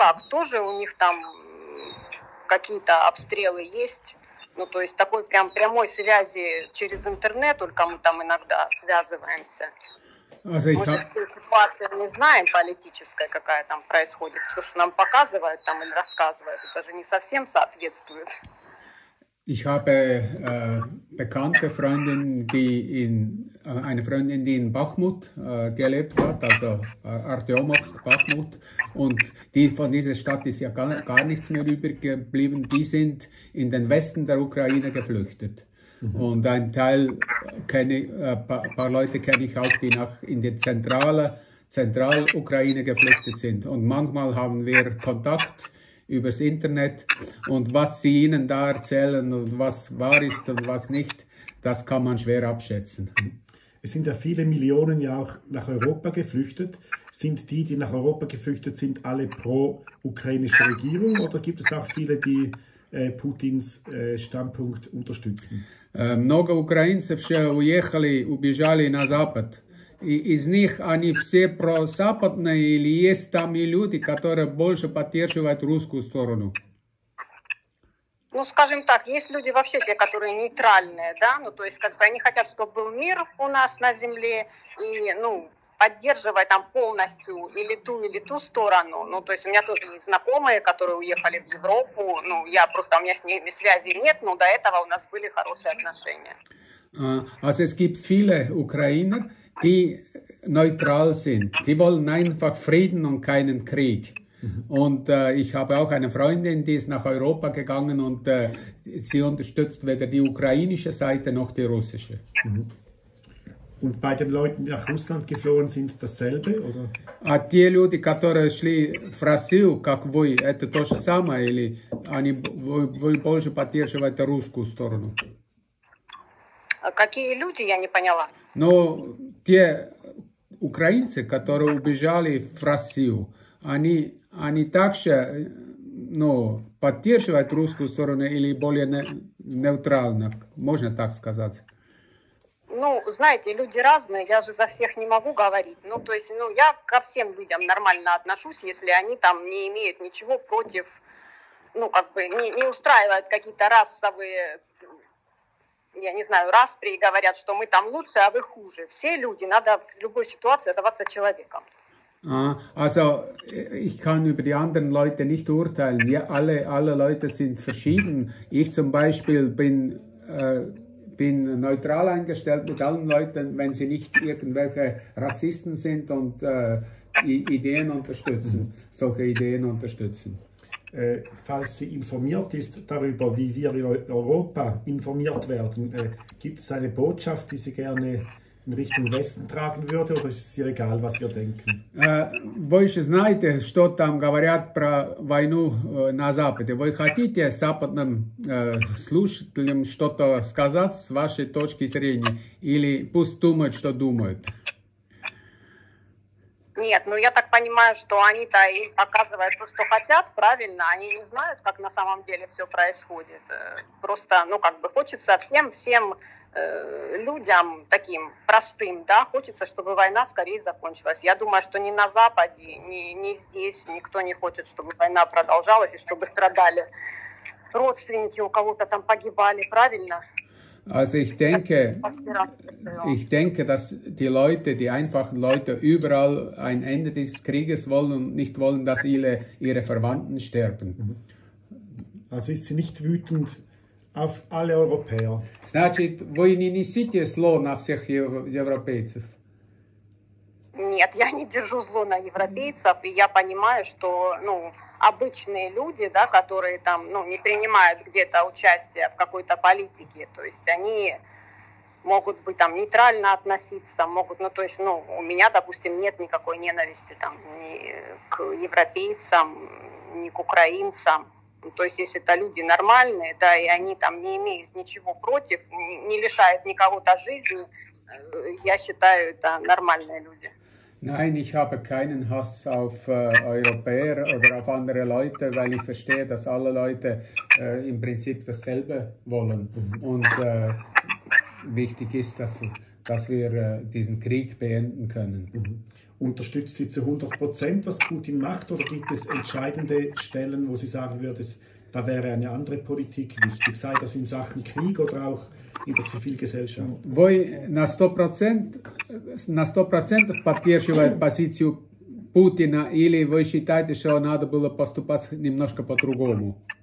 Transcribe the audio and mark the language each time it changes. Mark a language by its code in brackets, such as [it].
[ru] Тоже у них там какие-то обстрелы есть. То есть такой прям прямой связи через интернет, только мы там иногда связываемся. Ситуация не знаем политическая, какая там происходит. То, что нам показывают там или рассказывают, это же не совсем соответствует. [de] Ich habe bekannte Freundin, eine Freundin, die in Bachmut gelebt hat, also Artyomovsk, Bachmut, und von dieser Stadt ist ja gar nichts mehr übrig geblieben. Die sind in den Westen der Ukraine geflüchtet. Mhm. Und ein Teil paar Leute kenne ich auch, die in die Zentralukraine geflüchtet sind. Und manchmal haben wir Kontakt übers Internet und was sie ihnen da erzählen und was wahr ist und was nicht, das kann man schwer abschätzen. Es sind ja viele Millionen ja auch nach Europa geflüchtet. Sind die nach Europa geflüchtet sind, alle pro-ukrainische Regierung oder gibt es auch viele, die Putins Standpunkt unterstützen? [ru] Много украинцев уехали, убежали на Запад. Из них они все прозападные или есть там и люди, которые больше поддерживают русскую сторону? Скажем так, есть люди вообще те, которые нейтральные, да? То есть, они хотят, чтобы был мир у нас на земле и, поддерживать там полностью или ту сторону. То есть у меня тоже есть знакомые, которые уехали в Европу. Я просто, у меня с ними связи нет, но до этого у нас были хорошие отношения. [de] Also es gibt viele Ukrainer, die neutral sind. Die wollen einfach Frieden und keinen Krieg. Und ich habe auch eine Freundin, die ist nach Europa gegangen und sie unterstützt weder die ukrainische Seite noch die russische. Und bei den Leuten, die nach Russland geflohen sind, dasselbe, oder? [ru] А те люди, которые шли в Россию, как вы, это то же самое, или они вы больше поддерживаете русскую сторону? Какие люди, я не поняла. Ну, те украинцы, которые убежали в Россию, они также, ну, поддерживают русскую сторону или более нейтрально, можно так сказать? Ну, знаете, люди разные, я же за всех не могу говорить. Ну, то есть, ну, я ко всем людям нормально отношусь, если они там не имеют ничего против, ну, как бы, не устраивают какие-то расовые, я не знаю, распри и говорят, что мы там лучше, а вы хуже. Все люди, надо в любой ситуации оставаться человеком. [de] Also, ich kann über die anderen Leute nicht urteilen. Ja, alle Leute sind verschieden. Ich zum Beispiel bin neutral eingestellt mit allen Leuten, wenn sie nicht irgendwelche Rassisten sind und Ideen unterstützen, solche Ideen unterstützen. Falls sie informiert ist darüber, wie wir in Europa informiert werden, gibt es eine Botschaft, die sie gerne in Richtung Westen tragen würde, oder ist es ihr egal, was wir denken? [ru] Вы же знаете, что там говорят про войну на Западе. Вы хотите западным слушателям что-то сказать с вашей точки зрения? Или пусть думают, что думают? Нет, ну я так понимаю, что они-то и показывают то, что хотят, правильно. Они не знают, как на самом деле все происходит. Просто, ну как бы хочется всем людям таким простым, да, хочется, чтобы война скорее закончилась. Я думаю, что ни на Западе, ни здесь никто не хочет, чтобы война продолжалась и чтобы страдали родственники, у кого-то там погибали, правильно? [de] Also ich denke, dass die Leute, die einfachen Leute überall ein Ende dieses Krieges wollen und nicht wollen, dass ihre Verwandten sterben. Also ist sie nicht wütend auf alle Europäer? [ru] Значит, вы не несите зло на всех европейцев? Нет, я не держу зло на европейцев, и я понимаю, что, ну, обычные люди, да, которые там, ну, не принимают где-то участие в какой-то политике, то есть они могут быть там нейтрально относиться, могут, ну, то есть, ну, у меня, допустим, нет никакой ненависти там ни к европейцам, ни к украинцам. То есть, если это люди нормальные, да, и они там не имеют ничего против, не лишают никого-то жизни, я считаю, это нормальные люди. [de] Nein, ich habe keinen Hass auf Europäer oder auf andere Leute, weil ich verstehe, dass alle Leute im Prinzip dasselbe wollen. Und wichtig ist, dass wir diesen Krieg beenden können. Unterstützt sie zu 100%, was Putin macht, oder gibt es entscheidende Stellen, wo sie sagen würde, da wäre eine andere Politik wichtig, sei das in Sachen Krieg oder auch in der Zivilgesellschaft? [ru] Вы на 100% поддерживает позицию Путина или вы считаете, что надо было поступать немножко по-другому?